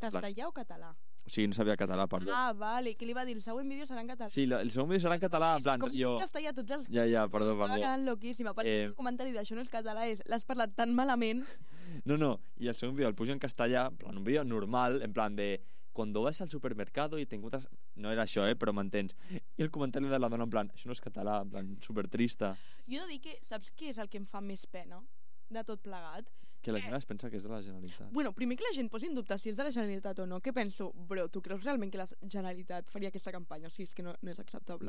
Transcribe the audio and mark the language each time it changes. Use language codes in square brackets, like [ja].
[ca] Castellà o català? O sigui, no sabia català, perdó. Ah, vale. Què li va dir? El següent vídeo serà en català? Sí, el següent vídeo serà en català. En plan, com jo... si castellà tots els... Ja, ja, perdó, perdó. Estava quedant loquíssima. Perquè el comentari d'això no és català és... L'has parlat tan malament... No, no. I el següent vídeo el puja en castellà, en plan, un vídeo normal, en plan de... [es] Cuando vas al supermercado y te encuentras... [ca] No era això, però m'entens. I el comentari de la dona, en plan, això no és català, en plan, supertrista. Jo he de dir que saps què és el que em fa més pena de tot plegat? Que la gent es pensa que és de la Generalitat. Bueno, primer que la gent posi en dubte si és de la Generalitat o no. Què penso? Bro, tu creus realment que la Generalitat faria aquesta campanya? O sigui, és que no és acceptable.